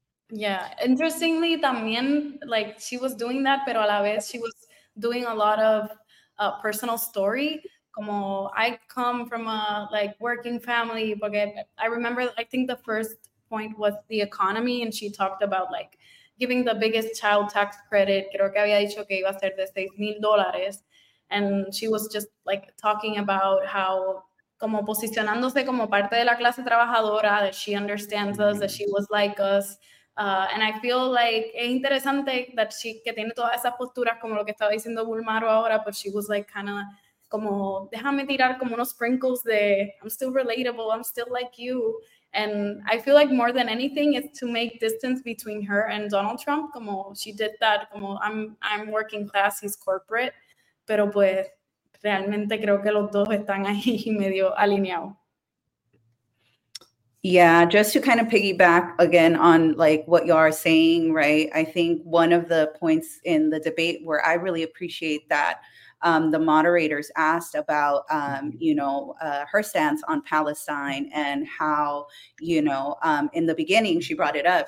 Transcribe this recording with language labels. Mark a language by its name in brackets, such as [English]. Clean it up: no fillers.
[English] Yeah, interestingly, también, like, she was doing that, [Spanish] pero a la vez, [English] she was doing a lot of personal story. Como, I come from a, like, working family, porque I remember, I think the first point was the economy, and she talked about, like, giving the biggest child tax credit. [Spanish] Creo que había dicho que iba a ser de $6,000. [English] And she was just like talking about how, [Spanish] como posicionándose como parte de la clase trabajadora, [English] that she understands us, that she was like us. And I feel like [Spanish] es interesante [English] that she, [Spanish] que tiene todas esas posturas, como lo que estaba diciendo Bulmaro ahora, [English] but she was like kind of [Spanish] como, déjame tirar como unos sprinkles de, [English] I'm still relatable, I'm still like you. And I feel like more than anything is to make distance between her and Donald Trump, como she did that, como I'm working class, he's corporate. [Spanish] Pero pues, realmente creo que los dos están ahí medio alineados. [English] Yeah, just to kind of piggyback again on like what you are saying, right? I think one of the points in the debate where I really appreciate that the moderators asked about, her stance on Palestine and how, you know, in the beginning she brought it up.